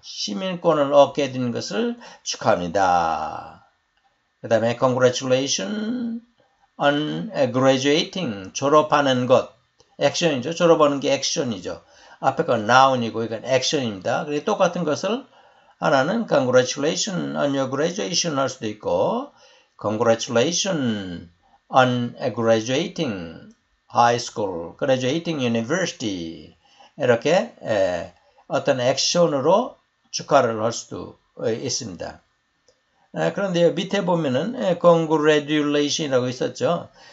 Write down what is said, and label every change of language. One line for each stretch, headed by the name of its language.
Korean: 시민권을 얻게 된 것을 축하합니다. 그 다음에
English: Congratulations on graduating.
Korean: 졸업하는 것. 액션이죠. 졸업하는 게 액션이죠. 앞에 건 noun이고 이건 액션입니다. 그리고 똑같은 것을 하나는
English: Congratulations on your graduation
Korean: 할 수도 있고
English: Congratulations on graduating high school, graduating university.
Korean: 이렇게 어떤 액션으로 축하를 할 수도 있습니다. 그런데 밑에 보면은 Congratulation이라고 있었죠.